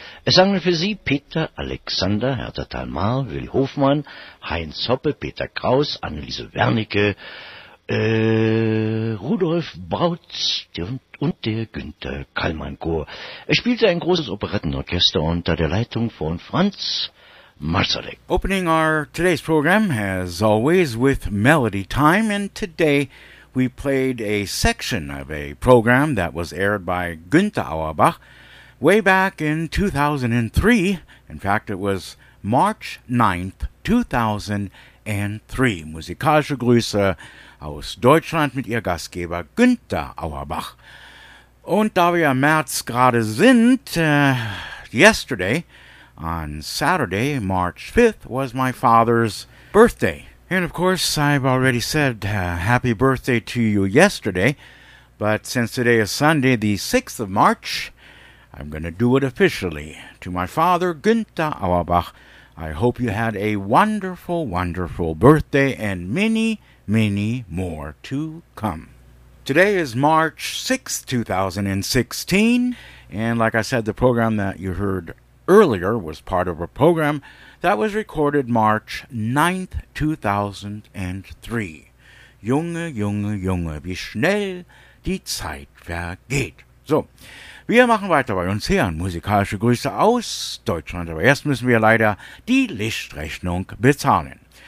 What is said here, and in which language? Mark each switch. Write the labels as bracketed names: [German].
[German] Es sangen für Sie Peter Alexander, Hertha Thalmar, Willi Hofmann, Heinz Hoppe, Peter Kraus, Anneliese Wernicke, Rudolf Brautz und der Günther Kallmann Chor. Es spielte ein großes Operettenorchester unter der Leitung von Franz Marsalek. [English] Opening our today's program, as always, with Melody Time, and today we played a section of a program that was aired by Günther Auerbach way back in 2003. In fact, it was March 9th, and 3. [German] Musikalische Grüße aus Deutschland mit Ihr Gastgeber Günther Auerbach. Und da wir im März gerade sind, [English] yesterday, on Saturday, March 5th, was my father's birthday. And of course, I've already said happy birthday to you yesterday, but since today is Sunday, the 6th of March, I'm going to do it officially. To my father, Günther Auerbach, I hope you had a wonderful, wonderful birthday and many, many more to come. Today is March 6th, 2016, and like I said, the program that you heard earlier was part of a program that was recorded March 9th, 2003. [German] Junge, Junge, Junge, wie schnell die Zeit vergeht. So, wir machen weiter bei uns hier. Musikalische Grüße aus Deutschland. Aber erst müssen wir leider die Lichtrechnung bezahlen.